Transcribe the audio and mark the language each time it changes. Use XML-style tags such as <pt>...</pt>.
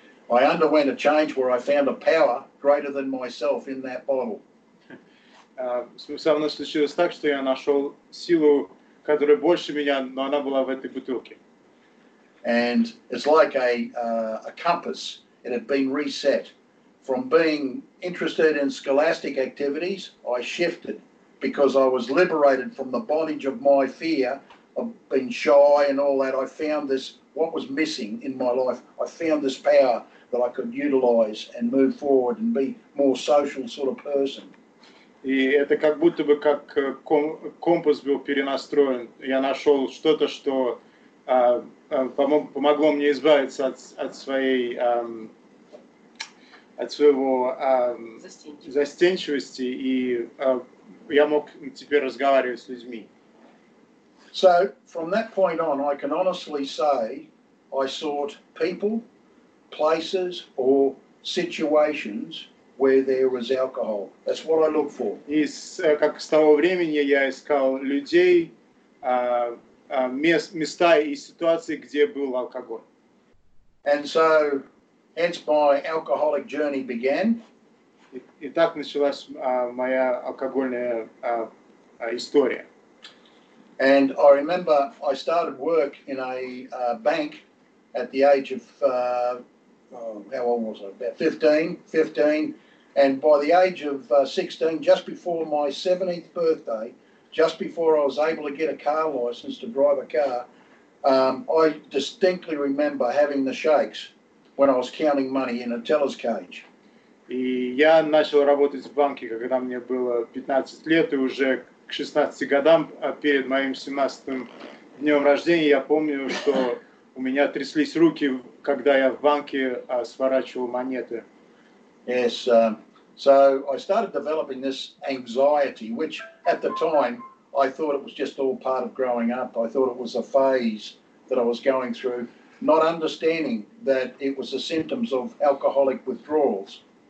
<en>I underwent a change where I found a power greater than myself in that bottle.</en> <ru>Со мной случилось так, что я нашел силу, которая больше меня, но она была в этой бутылке.</ru> <en>And it's like a compass. It had been reset. From being interested in scholastic activities, I shifted because I was liberated from the bondage of my fear of being shy and all that. I found this, what was missing in my life, I found this power that I could utilize and move forward and be more social sort of person.</en> <ru>И это как будто бы как компас был перенастроен. Я нашел что-то, что помогло мне избавиться от своего застенчивости, и я мог теперь разговаривать с людьми.</ru> <en>So, from that point on, I can honestly say I sought people, places, or situations where there was alcohol. That's what I looked for.</en> <ru>И как с того времени я искал людей, места и ситуации, где был алкоголь.</ru> <en>And so, Hence my alcoholic journey began.</en> <ru>И так началась моя алкогольная история.</ru> <en>And I remember I started work in a bank at the age of, how old was I, about 15, and by the age of 16, just before my 17th birthday, just before I was able to get a car license to drive a car, I distinctly remember having the shakes when I was counting money in a teller's cage.</en> <ru>И я начал работать в банке, когда мне было 15 лет, и уже к 16 годам, перед моим 17-м днем рождения, я помню, что у меня тряслись руки, когда я в банке сворачивал монеты.</ru> <en>Yes, so I started developing this anxiety, which at the time I thought it was just all part of growing up. I thought it was a phase that I was going through, not understanding that it was the symptoms of alcoholic withdrawals.</en>